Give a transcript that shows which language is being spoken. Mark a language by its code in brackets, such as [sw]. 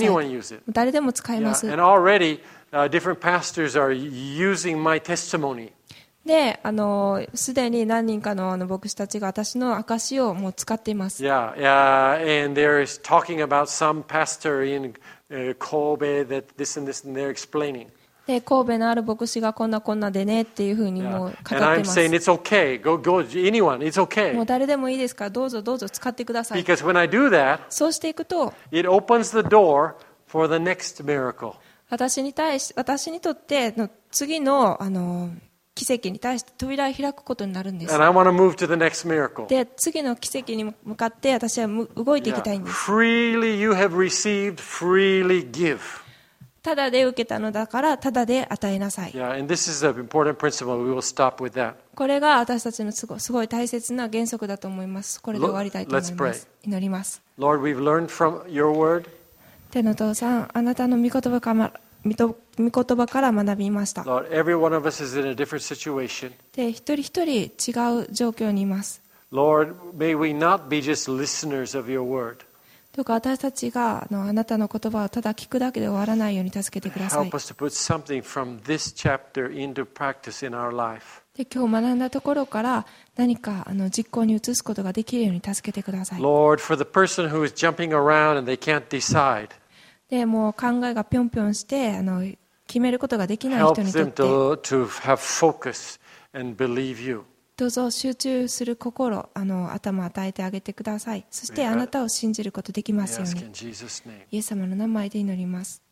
[en] Yeah. Yeah. Anyone use it. [ja] 誰でも使えます。 [en] Yeah. And already, different pastors are using my testimony. [ja] で、すでに何人かの牧師たちが私の証しをもう使っています。 [en] Yeah, yeah, and they're talking about some pastor in Kobe that this and this and they're explaining. [ja] で、神戸のある牧師がこんなこんなでねっていうふうにもう語ってます。 [en] Yeah. And I'm saying it's okay. Go, anyone. It's okay. [ja] もう誰でもいいですから、どうぞどうぞ使ってください。 [en] Because when I do that, [ja] そうしていくと、 [en] it opens the door for the next miracle. [ja] 私にとっての次の、奇跡に対して扉を開くことになるんです。 [en] And I want to move to the next miracle. [ja] で、次の奇跡に向かって私は動いていきたいんです。 [en] Yeah. Freely you have received, freely give. [ja] ただで受けたのだからただで与えなさい。 [en] Yeah, and this is an important principle. We will stop with that. [ja] これが私たちのすごい大切な原則だと思います。これで終わりたいと思います。 [en] Let's pray. [ja] 祈ります。 [en] Lord, we've learned from your word. [ja] 天の父さん、あなたの御言葉から学びました。 [en] Lord, every one of us is in a different situation. [ja] で、一人一人違う状況にいます。 [en] Lord, may we not be just listeners of your word. [ja] どうか私たちがあなたの言葉をただ聞くだけで終わらないように助けてください。今日学んだところから何か実行に移すことができるように助けてください。 [en] Lord, for the person who is jumping around and they can't decide. [ja] で、もう考えがぴょんぴょんして決めることができない人にとって。 [en] Help them to have focus and believe you. [ja] どうぞ集中する心、頭を与えてあげてください。そしてあなたを信じることができますように。イエス様の名前で祈ります。